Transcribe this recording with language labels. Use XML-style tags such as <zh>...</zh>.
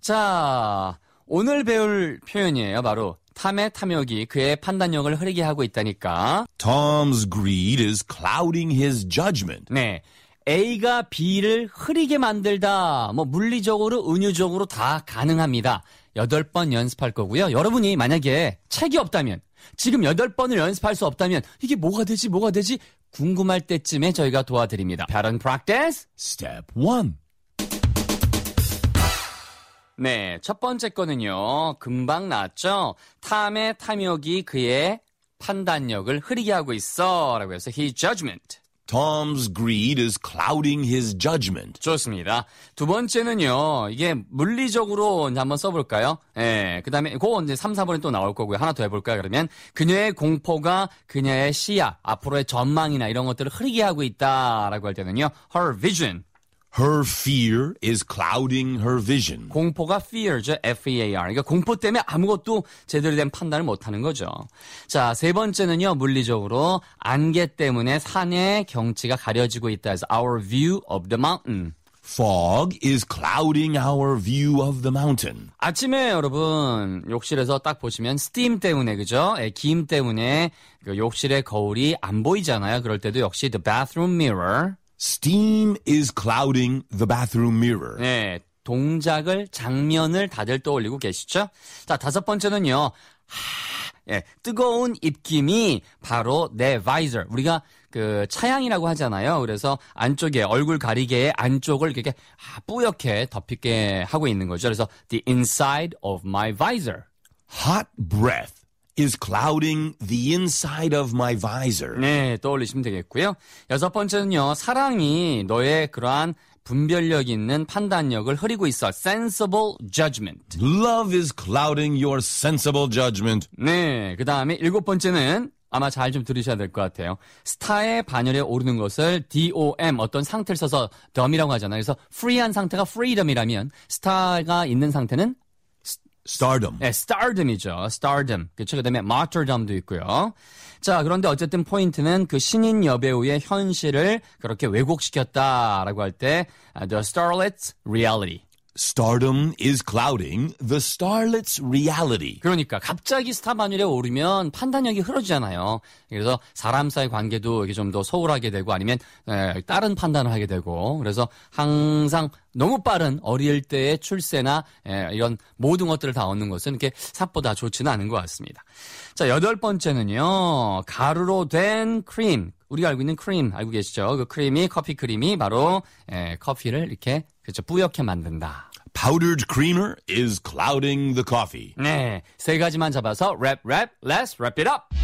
<ko>자, 오늘 배울 표현이에요. 바로 탐의 탐욕이 그의 판단력을 흐리게 하고 있다니까.</ko> <en>Tom's greed is clouding his judgment.</en> <ko>네. A가 B를 흐리게 만들다. 뭐 물리적으로, 은유적으로 다 가능합니다. 8번 연습할 거고요. 여러분이 만약에 책이 없다면, 지금 8번을 연습할 수 없다면 이게 뭐가 되지? 뭐가 되지? 궁금할 때쯤에 저희가 도와드립니다.</ko> <en>Pattern practice. Step 1.</en> <ko>네, 첫 번째 거는요. 금방 나왔죠? 탐의 탐욕이 그의 판단력을 흐리게 하고 있어라고 해서</ko> <en>his judgment. Tom's greed is clouding his judgment.</en> <ko>좋습니다. 두 번째는요. 이게 물리적으로 이제 한번 써볼까요? 예. 그다음에 그거 이제 3, 4번에 또 나올 거고요. 하나 더 해볼까요? 그러면 그녀의 공포가 그녀의 시야, 앞으로의 전망이나 이런 것들을 흐리게 하고 있다라고 할 때는요.</ko> <en>her vision. Her fear is clouding her vision.</en> <ko>공포가 fear죠. F-E-A-R. 그러니까 공포 때문에 아무것도 제대로 된 판단을 못하는 거죠. 자, 세 번째는요. 물리적으로 안개 때문에 산의 경치가 가려지고 있다. 그래서</ko> <en>our view of the mountain. Fog is clouding our view of the mountain.</en> <ko>아침에 여러분 욕실에서 딱 보시면 스팀 때문에, 그죠? 예, 김 때문에 그 욕실의 거울이 안 보이잖아요. 그럴 때도 역시</ko> <en>the bathroom mirror. Steam is clouding the bathroom mirror.</en> <ko>네, 동작을, 장면을 다들 떠올리고 계시죠? 자, 다섯 번째는요. 뜨거운 입김이 바로 내 visor. 우리가 그 차양이라고 하잖아요. 그래서 안쪽에, 얼굴 가리개의 안쪽을 이렇게 뿌옇게 덮이게 하고 있는 거죠. 그래서</ko> <en>the inside of my visor. Hot breath. is clouding the inside of my visor.</en> <ko>네, 떠올리시면 되겠고요. 여섯 번째는요, 사랑이 너의 그러한 분별력 있는 판단력을 흐리고 있어.</ko> <en>sensible judgment. Love is clouding your sensible judgment.</en> <ko>네, 그 다음에 일곱 번째는 아마 잘좀 들으셔야 될것 같아요. 스타의 반열에 오르는 것을 DOM, 어떤 상태를 써서 덤이라고 하잖아요. 그래서 free한 상태가 freedom이라면 스타가 있는 상태는</ko> <en>Stardom.</en> <ko>네, stardom이죠.</ko> <en>stardom. 그쵸?</en> <ko>그 다음에 martyrdom도 있고요. 자, 그런데 어쨌든 포인트는 그 신인 여배우의 현실을 그렇게 왜곡시켰다라고 할 때,</ko> <en>the starlet's reality. Stardom is clouding the starlet's reality.</en> <ko>그러니까, 갑자기 스타 반열에 오르면 판단력이 흐려지잖아요. 그래서 사람 사이 관계도 이렇게 좀더 소홀하게 되고, 아니면, 다른 판단을 하게 되고, 그래서 항상 너무 빠른 어릴 때의 출세나 이런 모든 것들을 다 얻는 것은 이렇게 삿보다 좋지는 않은 것 같습니다. 자, 여덟 번째는요. 가루로 된 크림. 우리가 알고 있는 크림 알고 계시죠? 그 크림이, 커피 크림이 바로 커피를 이렇게, 그렇죠, 뿌옇게 만든다.</ko> <en>Powdered creamer is clouding the coffee.</en> <ko>네, 세 가지만 잡아서 랩, 랩,</ko> <en>let's wrap it up.</en>